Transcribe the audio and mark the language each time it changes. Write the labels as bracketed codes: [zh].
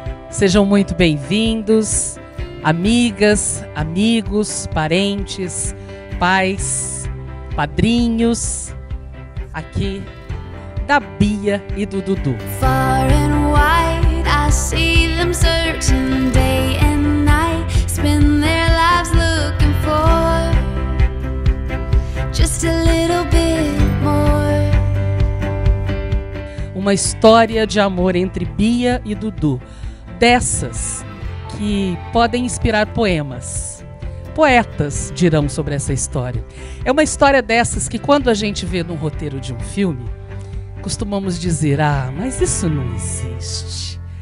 [pt] Sejam muito bem-vindos, amigas, amigos, parentes, pais, padrinhos, aqui da Bia e do Dudu. [en] Far and wide, I see them searching day and night, spend their lives looking for just a little bit more. [pt] Uma história de amor entre Bia e Dudu, dessas que podem inspirar poemas. Poetas dirão sobre essa história. É uma história dessas que, quando a gente vê num roteiro de um filme, costumamos dizer: ah, mas isso não existe.